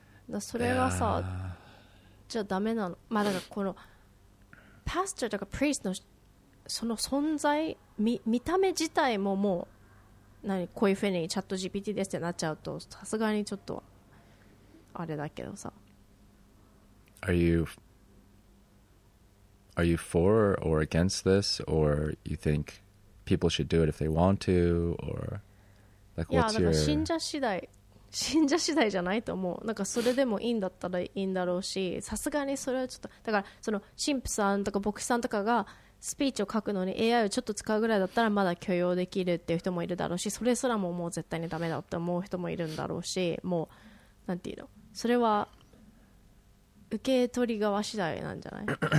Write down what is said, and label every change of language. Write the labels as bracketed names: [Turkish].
[Japanese] だそれはさ、じゃあダメなの。まあだからこのパスターとかプリーストのその存在、見た目自体ももう何こういうふうにチャット GPT ですってなっちゃうとさすがにちょっとあれだけどさ。 [English] Are you for or against this, or you think people should do it if they want to, or like what's your? [Japanese] Yeah, 信者次第じゃないと思う。なんかそれでもいいんだったらいいんだろうし、さすがにそれはちょっと、だからその神父さんとか牧師さんとかがスピーチを書くのに AI をちょっと使うぐらいだったらまだ許容できるっていう人もいるだろうし、それすらももう絶対にダメだって思う人もいるんだろうし、もうなんていうの、それは受け取り側次第なんじゃない。